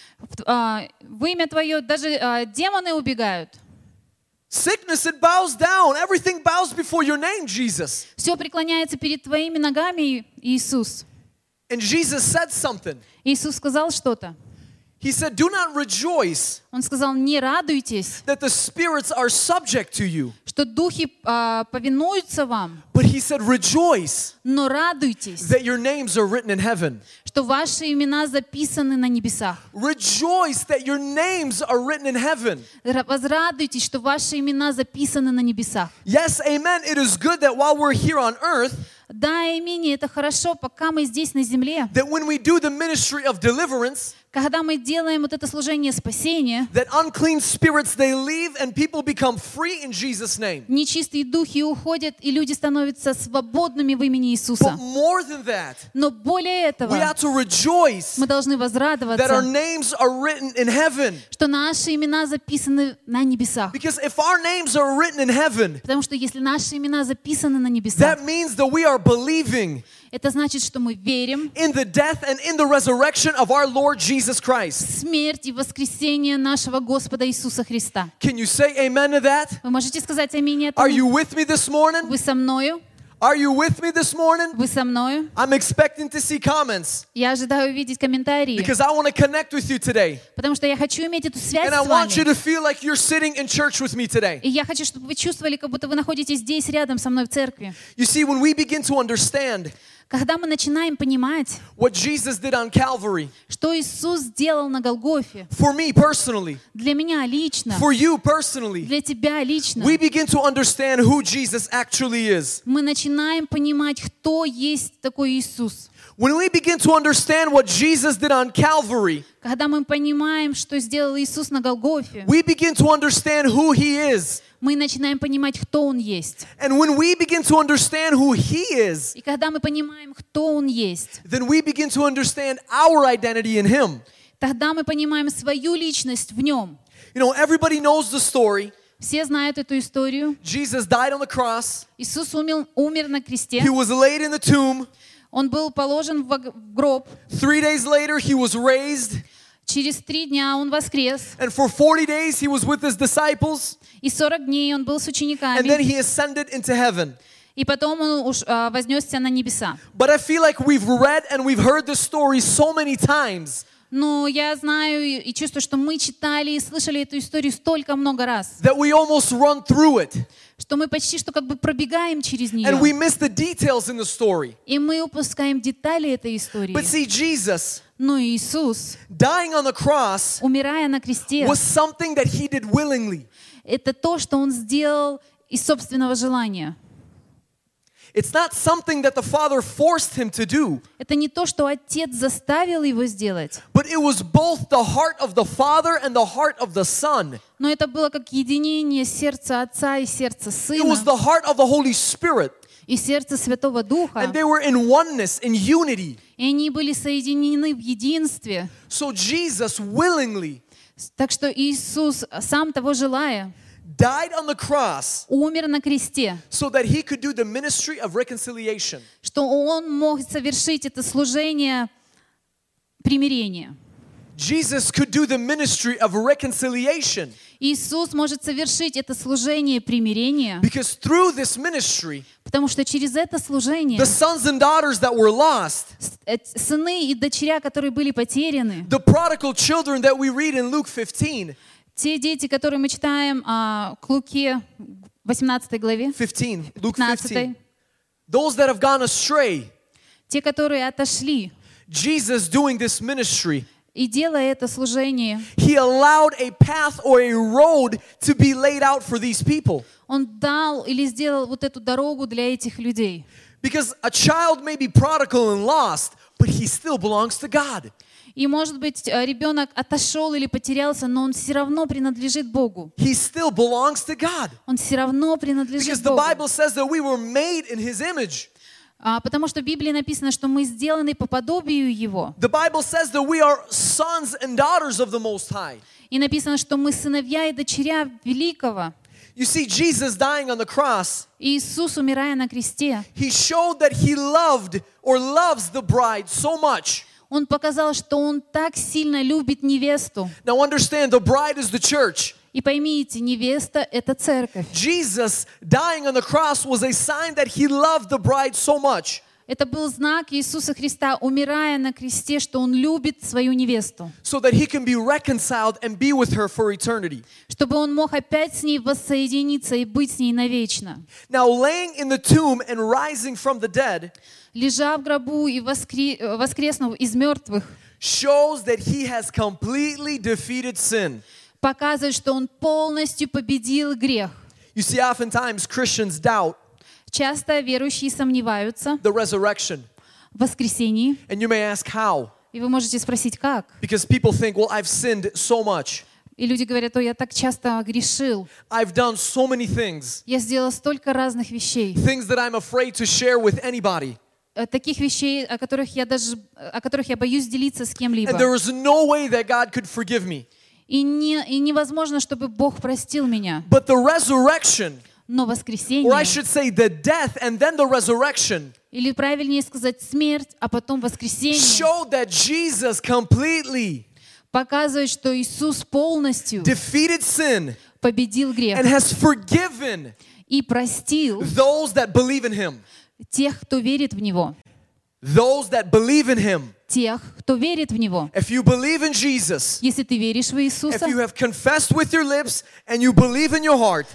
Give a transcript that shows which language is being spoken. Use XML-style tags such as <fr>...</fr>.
<ru>В имя Твое даже демоны убегают.</ru> <en>Sickness, it bows down. Everything bows before your name, Jesus.</en> <ru>Все преклоняется перед Твоими ногами, Иисус.</ru> <en>And Jesus said something.</en> <ru>Иисус сказал что-то.</ru> <en>He said, "Do not rejoice."</en> <ru>Он сказал, не радуйтесь.</ru> <en>That the spirits are subject to you.</en> <ru>Что духи повинуются вам.</ru> <en>But he said, "Rejoice."</en> <ru>Но радуйтесь.</ru> <en>That your names are written in heaven.</en> <ru>Что ваши имена записаны на небесах.</ru> <en>Rejoice that your names are written in heaven.</en> <ru>Возрадуйтесь, что ваши имена записаны на небесах.</ru> <en>Yes, amen. It is good that while we're here on earth.</en> <ru>Да, аминь, это хорошо, пока мы здесь на земле.</ru> <en>That when we do the ministry of deliverance,</en> <ru>когда мы делаем вот это служение спасения,</ru> <en>that unclean spirits they leave and people become free in Jesus' name.</en> <ru>Нечистые духи уходят, и люди становятся свободными в имени Иисуса.</ru> <en>But more than that,</en> <ru>но более этого,</ru> <en>we ought to rejoice,</en> <ru>мы должны возрадоваться,</ru> <en>that our names are written in heaven.</en> <ru>Что наши имена записаны на небесах.</ru> <en>Because if our names are written in heaven,</en> <ru>потому что если наши имена записаны на небесах,</ru> <en>that means that we are believing.</en> <ru>Это значит, что мы верим</ru> <en>in the death and in the resurrection of our Lord Jesus Christ.</en> <ru>В смерть и воскресение нашего Господа Иисуса Христа.</ru> <en>Can you say amen to that?</en> <ru>Вы можете сказать аминь этому?</ru> <en>Are you with me this morning?</en> <ru>Вы со мною?</ru> <en>Are you with me this morning?</en> <ru>Вы со мною?</ru> <en>I'm expecting to see comments.</en> <ru>Я ожидаю увидеть комментарии.</ru> <en>Because I want to connect with you today.</en> <ru>Потому что я хочу иметь эту связь с вами.</ru> <en>And I want you to feel like you're sitting in church with me today.</en> <ru>И я хочу, чтобы вы чувствовали, как будто вы находитесь здесь рядом со мной в церкви.</ru> <en>You see, when we begin to understand,</en> <ru>когда мы начинаем понимать,</ru> <en>what Jesus did on Calvary,</en> <ru>что Иисус сделал на Голгофе,</ru> <en>for me personally,</en> <ru>для меня лично,</ru> <en>for you personally,</en> <ru>для тебя лично,</ru> <en>we begin to understand who Jesus actually is.</en> <ru>Мы начинаем понимать, кто есть такой Иисус.</ru> <en>When we begin to understand what Jesus did on Calvary,</en> <ru>когда мы понимаем, что сделал Иисус на Голгофе,</ru> <en>we begin to understand who He is.</en> <ru>Мы начинаем понимать, кто Он есть.</ru> <en>And when we begin to understand who He is,</en> <ru>и когда мы понимаем, кто Он есть,</ru> <en>then we begin to understand our identity in Him.</en> <ru>Тогда мы понимаем свою личность в Нем.</ru> <en>You know, everybody knows the story.</en> <ru>Все знают эту историю.</ru> <en>Jesus died on the cross.</en> <ru>Иисус умер на кресте.</ru> <en>He was laid in the tomb.</en> <ru>Он был положен в гроб.</ru> <en>3 days later, He was raised.</en> <ru>Через три дня он воскрес.</ru> <en>And for 40 days he was with his disciples.</en> <ru>И 40 дней он был с учениками.</ru> <en>And then he ascended into heaven.</en> <ru>И потом он вознесся на небеса.</ru> <en>But I feel like we've read and we've heard this story so many times.</en> <ru>Но я знаю и чувствую, что мы читали и слышали эту историю столько много раз.</ru> <en>That we almost run through it.</en> <ru>Что мы почти что как бы пробегаем через нее.</ru> <en>And we miss the details in the story.</en> <ru>И мы упускаем детали этой истории.</ru> <en>But see, Jesus,</en> <ru>но Иисус,</ru> <en>dying on the cross,</en> <ru>умирая на кресте,</ru> <en>was something that he did willingly.</en> <ru>Это то, что он сделал из собственного желания.</ru> <en>It's not something that the Father forced him to do.</en> <ru>Это не то, что отец заставил его сделать.</ru> <en>But it was both the heart of the Father and the heart of the Son.</en> <ru>Но это было как единение сердца отца и сердца сына.</ru> <en>It was the heart of the Holy Spirit.</en> <ru>И сердце Святого Духа.</ru> <en>And they were in oneness, in unity.</en> <ru>И они были соединены в единстве.</ru> <en>So Jesus willingly.</en> <ru>Так что Иисус сам того желая.</ru> <en>Died on the cross,</en> <ru>умер на кресте,</ru> <en>so that he could do the ministry of reconciliation,</en> <ru>что он мог совершить это служение примирения.</ru> <en>Jesus could do the ministry of reconciliation.</en> <ru>Иисус может совершить это служение примирения.</ru> <en>Because through this ministry,</en> <ru>потому что через это служение,</ru> <en>the sons and daughters that were lost,</en> <ru>сыны и дочеря, которые были потеряны,</ru> <en>the prodigal children that we read in Luke 15.</en> <ru>Те дети, которые мы читаем к Луке 18 главе.</ru> <en>15, Luke 15. Those that have gone astray.</en> <ru>Те, которые отошли.</ru> <en>Jesus doing this ministry.</en> <ru>И делая это служение.</ru> <en>He allowed a path or a road to be laid out for these people.</en> <ru>Он дал или сделал вот эту дорогу для этих людей.</ru> <en>Because a child may be prodigal and lost, but he still belongs to God.</en> <ru>И может быть, ребенок отошел или потерялся, но он все равно принадлежит Богу.</ru> <en>He still belongs to God.</en> <ru>Он все равно принадлежит Богу.</ru> <en>Because the Bible says that we were made in His image.</en> <ru>Потому что в Библии написано, что мы сделаны по подобию Его.</ru> <en>The Bible says that we are sons and daughters of the Most High.</en> <ru>И написано, что мы сыновья и дочеря Великого.</ru> <en>You see, Jesus dying on the cross.</en> <ru>Иисус умирая на кресте.</ru> <en>He showed that He loved or loves the bride so much.</en> <ru>Он показал, что Он так сильно любит невесту.</ru> <en>Now understand, the bride is the church.</en> <ru>И поймите, невеста — это церковь.</ru> <en>Jesus dying on the cross was a sign that He loved the bride so much.</en> <ru>Это был знак Иисуса Христа, умирая на кресте, что Он любит свою невесту.</ru> <en>So that He can be reconciled and be with her for eternity.</en> <ru>Чтобы Он мог опять с ней воссоединиться и быть с ней навечно.</ru> <en>Now laying in the tomb and rising from the dead.</en> <ru>Лежа в гробу и воскреснув из мертвых.</ru> <en>Shows that He has completely defeated sin.</en> <ru>Показывает, что Он полностью победил грех.</ru> <en>You see, oftentimes Christians doubt.</en> <ru>Часто верующие сомневаются</ru> <en>the resurrection.</en> <ru>В воскресении.</ru> <en>And you may ask how.</en> <ru>И вы можете спросить, как?</ru> <en>Because people think, well, I've sinned so much.</en> <ru>И люди говорят, о, я так часто грешил.</ru> <en>I've done so many things.</en> <ru>Я сделал столько разных вещей.</ru> <en>Things that I'm afraid to share with anybody.</en> <ru>Таких вещей, о которых я боюсь делиться с кем-либо.</ru> <en>And there is no way that God could forgive me.</en> <ru>И невозможно, чтобы Бог простил меня.</ru> <en>But the resurrection.</en> <ru>Но воскресение,</ru> <en>or I should say the death and then the resurrection,</en> <ru>или правильнее сказать смерть, а потом воскресение,</ru> <en>showed that Jesus completely,</en> <ru>показывает, что Иисус полностью</ru> <en>defeated sin,</en> <ru>победил грех,</ru> <en>and has forgiven,</en> <ru>и простил</ru> <en>those that believe in Him,</en> <ru>тех, кто верит в Него,</ru> <en>those that believe in Him.</en> <ru>Тех, кто верит в Него.</ru> <en>If you believe in Jesus,</en> <ru>если ты веришь в Иисуса,</ru> <en>if you have confessed with your lips and you believe in your heart,</en>